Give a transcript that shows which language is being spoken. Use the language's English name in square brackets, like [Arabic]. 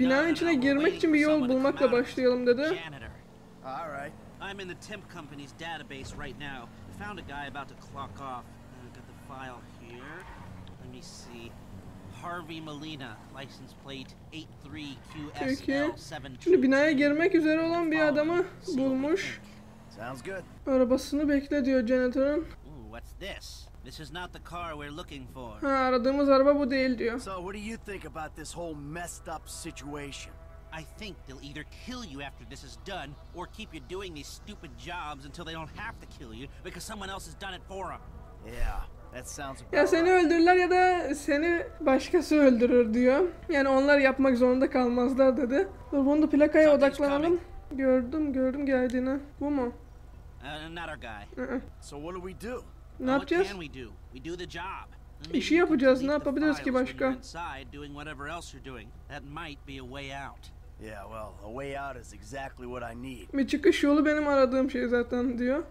[Turkish] Binanın içine girmek için bir yol bulmakla başlayalım dedi. [English] All right. I'm in the temp company's database right now. I found a guy about to clock off. I got the file here. Let me see. Harvey Molina, license plate 83QSL72. [Turkish] Şimdi binaya girmek üzere olan bir adamı bulmuş. [English] Sounds good. [Turkish] Arabasını bekle diyor janitor'un. [English] What's this? This is not the car we're looking for. [Turkish] Ha, aradığımız araba bu değil diyor. [English] So what do you think about this whole messed up situation? I think they'll either kill you after this is done, or keep you doing these stupid jobs until they don't have to kill you because someone else has done it for them. Yeah, that sounds. [Turkish] Ya seni öldürürler ya da seni başkası öldürür diyor. Yani onlar yapmak zorunda kalmazlar dedi. Dur, bunu da plakaya odaklanalım. Gördüm geldiğini. Bu mu? [English] Not our guy. So what do we do? [Turkish] Ne yapacağız? [English] What can we do? We do the job. [Turkish] İşi yapacağız. Ne yapabiliriz ki başka? [English] Inside, doing whatever else you're doing. That might be a way out. Yeah, well, a way out is exactly what I need. [Turkish] Bir çıkış yolu benim aradığım şey zaten diyor.